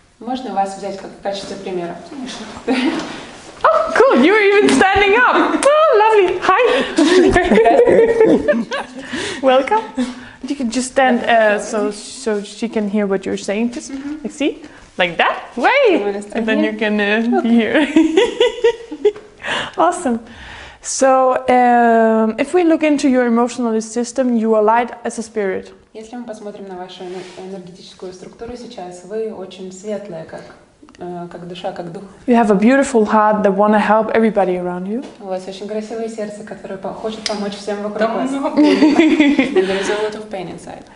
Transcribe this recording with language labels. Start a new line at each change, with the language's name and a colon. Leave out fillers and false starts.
Russian: Можно вас взять как в качестве примера?
English: Oh, cool! You were even standing up. Oh, lovely. Hi. Welcome. You can just stand so she can hear what you're saying. Just mm-hmm. like see, like that way, and then you can be here. Awesome. So if we look into your emotional system, you are light as a spirit.
Russian: Если мы посмотрим на вашу энергетическую структуру сейчас, вы очень светлая, как душа, как дух.
English: You have a beautiful heart that want to help everybody around you.
Russian: У вас очень красивое сердце, которое хочет помочь всем вокруг вас.
English: And there is a lot of pain inside.